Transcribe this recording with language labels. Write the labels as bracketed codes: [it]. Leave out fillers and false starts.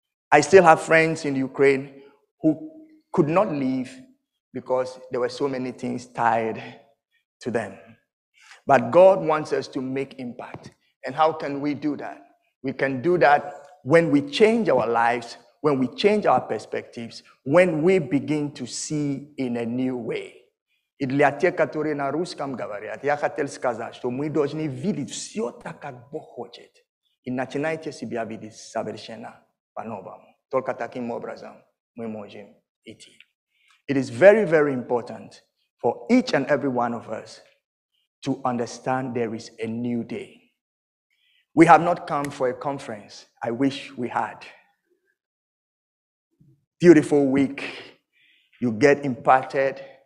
[en] I still have friends in Ukraine who could not leave because there were so many things tied to them. But God wants us to make impact. And how can we do that? We can do that when we change our lives, when we change our perspectives, when we begin to see in a new way. [ru] И для тех, которые на русском говорят, я хотел сказать, что мы должны видеть все так, как Бог хочет. И начинайте себя видеть совершенно по-новому. Только таким образом мы можем идти. [en] It is very, very important for each and every one of us to understand there is a new day. We have not come for a conference. I wish we had. Beautiful week. You get imparted.